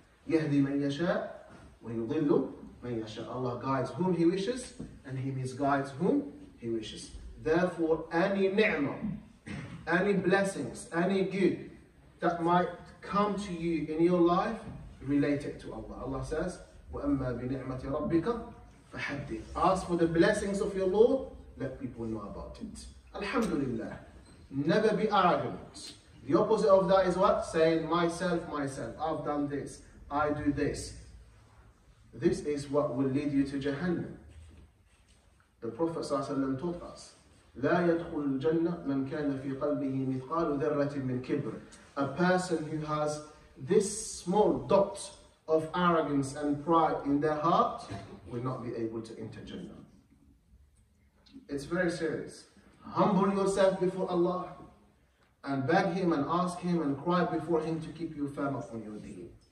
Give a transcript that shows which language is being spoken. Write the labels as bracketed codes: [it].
[ar] يَهْدِي مَنْ يَشَاءُ وَيُضِلُّ مَنْ يَشَاءُ. [en] Allah guides whom He wishes, and He misguides whom He wishes. Therefore, any ni'mah, any blessings, any good that might come to you in your life, relate it to Allah. Allah says, [ar] وَأَمَّا بِنِعْمَةِ رَبِّكَ فَحَدِّثْ. [en] Ask for the blessings of your Lord, let people know about it. Alhamdulillah. Never be arrogant. The opposite of that is what? Saying myself. I've done this. I do this. This is what will lead you to Jahannam. The Prophet ﷺ taught us, [ar] لا يدخل الجنة من كان في قلبه مثقال ذرة من كبر. [en] A person who has this small dot of arrogance and pride in their heart will not be able to enter Jannah. It's very serious. Humble yourself before Allah and beg Him and ask Him and cry before Him to keep you firm upon your deen.